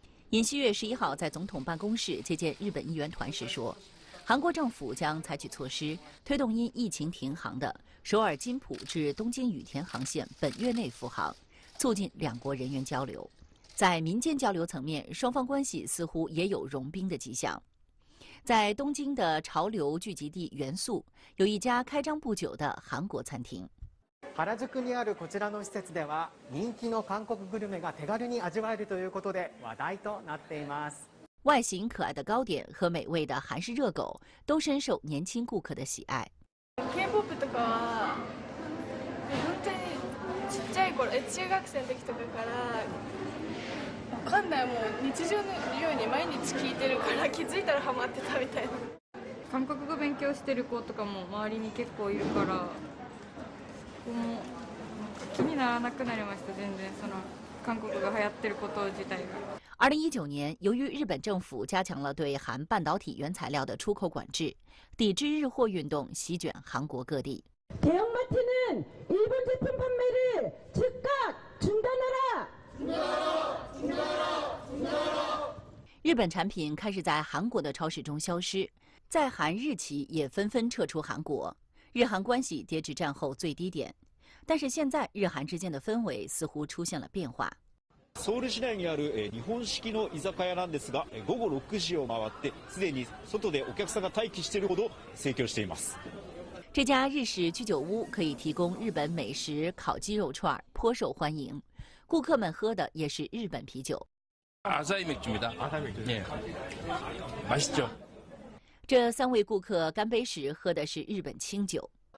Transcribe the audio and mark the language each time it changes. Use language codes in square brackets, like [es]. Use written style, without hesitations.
[zh] 尹锡悦十一号在总统办公室接见日本议员团时说，韩国政府将采取措施推动因疫情停航的首尔金浦至东京羽田航线本月内复航，促进两国人员交流。在民间交流层面，双方关系似乎也有融冰的迹象。在东京的潮流聚集地元素，有一家开张不久的韩国餐厅。 [ja] 原宿にあるこちらの施設では人気の韓国グルメが手軽に味わえるということで話題となっています。 [zh] 外形可爱的糕点和美味的韩式热狗都深受年轻顾客的喜爱。 [ja] K-POP とかは本当にちっちゃい頃中学生の時とかから館内も日常のように毎日聞いてるから気づいたらハマってたみたいな。韓国語勉強してる子とかも周りに結構いるからもう気にならなくなりました。全然その韓国が流行ってること自体が。 [zh] 2019年由于日本政府加强了对韩半导体原材料的出口管制，抵制日货运动席卷韩国各地。 [ko] 대형마트는일본제품판매를즉각중단하라 중단하라중단하라중단하라。 [zh] 日本产品开始在韩国的超市中消失，在韩日企也纷纷撤出韩国，日韩关系跌至战后最低点。但是现在日韩之间的氛围似乎出现了变化。 [ja] ソウル市内にある日本式の居酒屋なんですが、午後6時を回ってすでに外でお客さんが待機しているほど盛況しています。 [zh] 这家日式居酒屋可以提供日本美食烤鸡肉串，颇受欢迎，顾客们喝的也是日本啤酒。 [ko] 아사히맥주입니다 아사히맥주네 맛있죠。 [zh] 这三位顾客干杯时喝的是日本清酒。